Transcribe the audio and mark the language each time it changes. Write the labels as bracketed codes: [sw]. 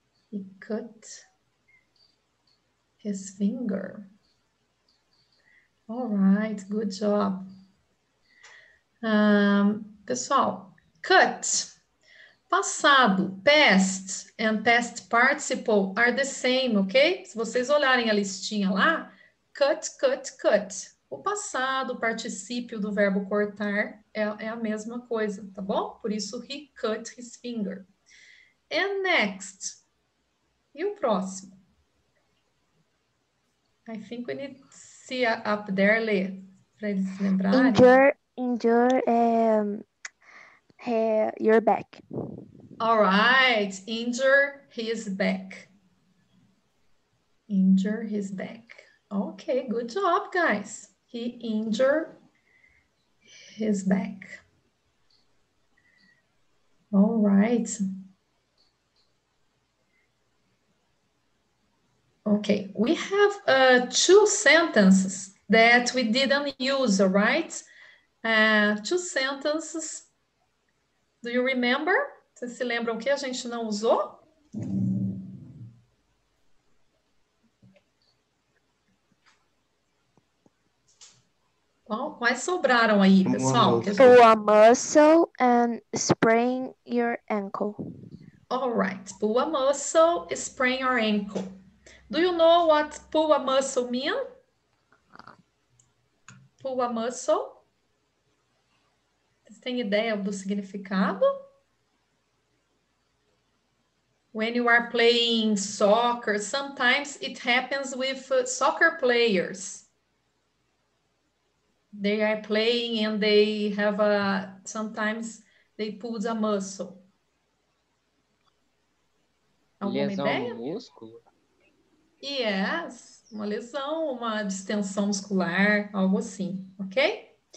[en] He cut his finger. All right, good job. [pt] Pessoal, [en] cut. [pt] Passado, [en] past, and past participle are the same, okay? [pt] Se vocês olharem a listinha lá, [en] cut, cut, cut. [pt] O passado, o particípio do verbo cortar é a mesma coisa, tá bom? Por isso, [en] he cut his finger. And next. [pt] E o próximo? [en] I think we need to see up there, Lê, [pt] para eles lembrarem. [en] Injure your back. All right. Injure his back. Injure his back. Okay, good job, guys. He injured his back. All right. Okay, we have two sentences that we didn't use, right? Two sentences. Do you remember? [pt] Vocês se lembram o que a gente não usou? [en] Well, [pt] quais sobraram aí, pessoal? [en] Pull a muscle and sprain your ankle. All right. Pull a muscle, sprain your ankle. Do you know what pull a muscle mean? Pull a muscle. [pt] Vocês têm ideia do significado? [en] When you are playing soccer, sometimes it happens with soccer players. They are playing and they have a, sometimes they pull a muscle. [pt] Alguma ideia? Músculo. [en] Yes, [pt] uma lesão, uma distensão muscular, algo assim, ok?